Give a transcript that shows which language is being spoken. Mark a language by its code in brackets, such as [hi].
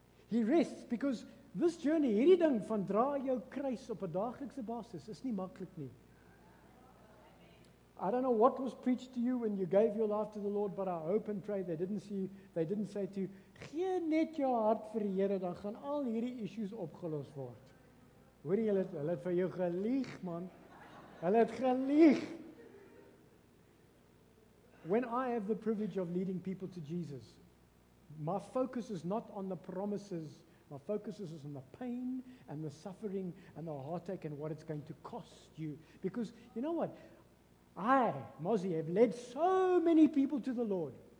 [en] He rests because this journey, [af] hierdie ding van dra jou kruis op 'n daaglikse basis, is nie maklik nie. [en] I don't know what was preached to you when you gave your life to the Lord, but I hope and pray they didn't say to you, [af] gee net jou hart vir die Here, dan gaan al hierdie issues opgelos word. Hoor jy, hulle het vir jou gelieg, man. Hulle het gelieg. [en] When I have the privilege of leading people to Jesus, my focus is not on the promises. My focus is on the pain and the suffering and the heartache and what it's going to cost you. Because you know what? I, Mozzie, have led so many people to the Lord.